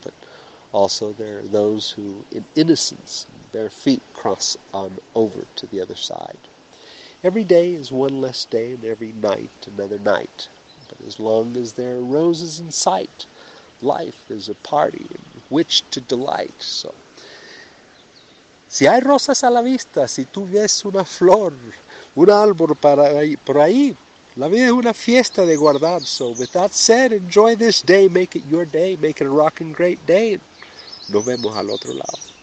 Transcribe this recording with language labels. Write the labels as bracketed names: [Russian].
[English] But also there are those who, in innocence, bare feet cross on over to the other side. Every day is one less day, and every night another night. But as long as there are roses in sight, life is a party in which to delight. [Spanish] So, si hay rosas a la vista, si tú ves una flor, un árbol para ahí, por ahí, la vida es una fiesta de guardar. [English] So, with that said, enjoy this day, make it your day, make it a rocking great day. [Spanish] Nos vemos al otro lado.